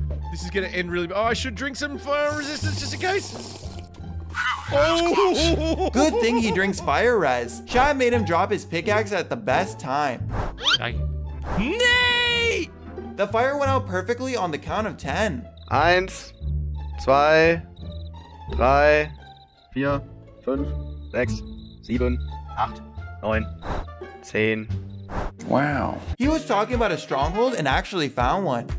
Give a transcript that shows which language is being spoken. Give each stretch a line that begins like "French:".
English: This is gonna end really bad. Oh, I should drink some fire resistance just in case. Oh! Good thing he drinks fire res. Chad made him drop his pickaxe at the best time. Nate! The fire went out perfectly on the count of 10.
German: Eins, zwei, drei, vier, fünf, sechs, sieben, acht, neun, zehn.
English: Wow. He was talking about a stronghold and actually found one.